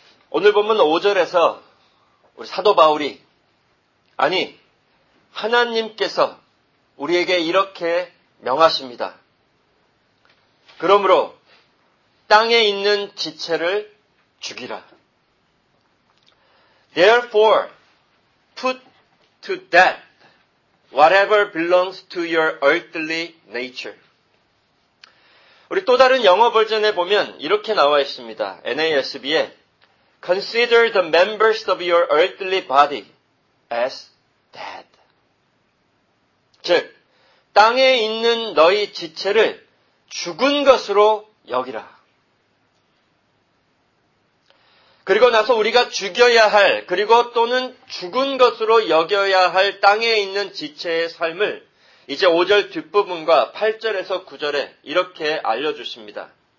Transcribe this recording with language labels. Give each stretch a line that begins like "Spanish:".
Korean: 오늘 보면 5절에서 우리 사도 바울이 하나님께서 우리에게 이렇게 명하십니다. 그러므로 땅에 있는 지체를 죽이라.
English: Therefore, put to death whatever belongs to your earthly nature.
Korean: 우리 또 다른 영어 버전에 보면 이렇게 나와 있습니다.
English: NASB에 Consider the members of your earthly body as dead.
Korean: 즉, 땅에 있는 너희 지체를 죽은 것으로 여기라. 그리고 나서 우리가 죽여야 할 그리고 또는 죽은 것으로 여겨야 할 땅에 있는 지체의 삶을 이제 5절 뒷부분과 8절에서 9절에 이렇게 알려주십니다.